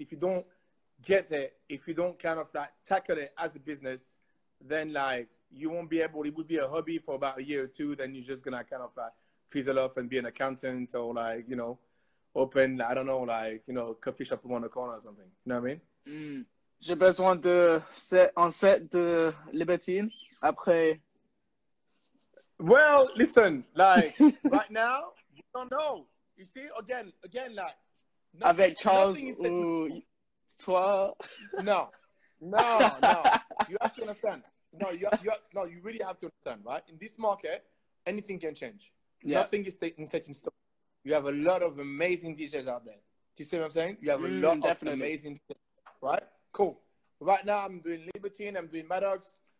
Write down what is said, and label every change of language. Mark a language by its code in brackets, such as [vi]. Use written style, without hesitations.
[en] If you don't get there, if you don't kind of like tackle it as a business, then like you won't be able, it would be a hobby for about a year or two. Then you're just going to kind of like fizzle off and be an accountant or like, you know, open, I don't know, like, you know, coffee shop around the corner or something. You know what I mean? Mm. [fr] J'ai besoin de set, un set de libertine après. [en] Well, listen, like, right now, we don't know. You see, again, like... Nothing, [fr] avec Charles ou toi? [en] No. You have to understand. You really have to understand, right? In this market, anything can change. Yeah. Nothing is set in stone. You have a lot of amazing DJs out there. Do you see what I'm saying? You have a lot definitely. Of amazing DJs, right? Cool. Right now, I'm doing Libertine. I'm doing Maddox.